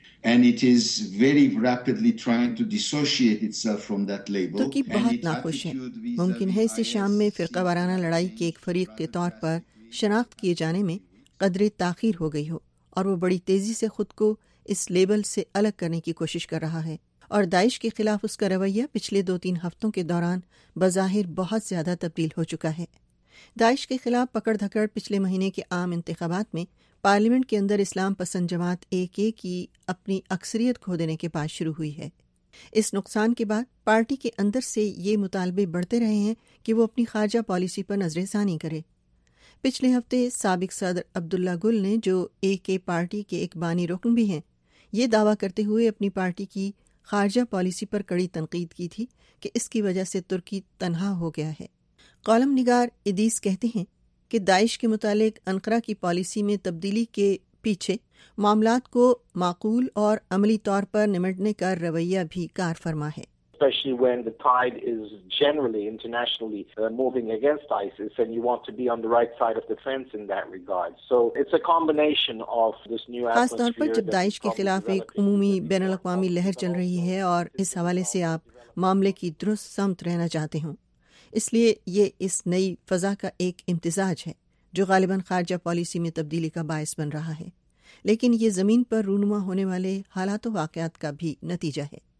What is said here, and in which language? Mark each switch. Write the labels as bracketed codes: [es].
[en] And it is very rapidly trying to dissociate itself from that label. [ur] ترکی بہت ناخوش ہے. ممکن ہے اسے شام میں فرقہ وارانہ لڑائی کے ایک فریق کے طور پر شناخت کیے جانے میں قدرے تاخیر ہو گئی ہو اور وہ بڑی تیزی سے خود کو اس لیبل سے الگ کرنے کی کوشش کر رہا ہے, اور داعش کے خلاف اس کا رویہ پچھلے دو تین ہفتوں کے دوران بظاہر بہت زیادہ تبدیل ہو چکا ہے. داعش کے خلاف پکڑ دھکڑ پچھلے مہینے کے عام انتخابات میں پارلیمنٹ کے اندر اسلام پسند جماعت اے کے کی اپنی اکثریت کھو دینے کے بعد شروع ہوئی ہے. اس نقصان کے بعد پارٹی کے اندر سے یہ مطالبے بڑھتے رہے ہیں کہ وہ اپنی خارجہ پالیسی پر نظر ثانی کرے. پچھلے ہفتے سابق صدر عبداللہ گل نے, جو اے کے پارٹی کے ایک بانی رکن بھی ہیں, یہ دعویٰ کرتے ہوئے اپنی پارٹی کی خارجہ پالیسی پر کڑی تنقید کی تھی کہ اس کی وجہ سے ترکی تنہا ہو گیا ہے. کالم نگار ادیس کہتے ہیں کہ داعش کے متعلق انقرہ کی پالیسی میں تبدیلی کے پیچھے معاملات کو معقول اور عملی طور پر نمٹنے کا رویہ بھی کار فرما ہے. [en] Especially when the tide is generally internationally moving against ISIS and you want to be on the right side of the fence in that regard. So it's a combination of this new atmosphere. [ur] خاص طور پر جب داعش کے خلاف ایک عمومی بین الاقوامی لہر چل رہی ہے اور اس حوالے سے آپ معاملے کی درست سمت رہنا چاہتے ہوں, اس لیے یہ اس نئی فضا کا ایک امتزاج ہے جو غالباً خارجہ پالیسی میں تبدیلی کا باعث بن رہا ہے, لیکن یہ زمین پر رونما ہونے والے حالات و واقعات کا بھی نتیجہ ہے.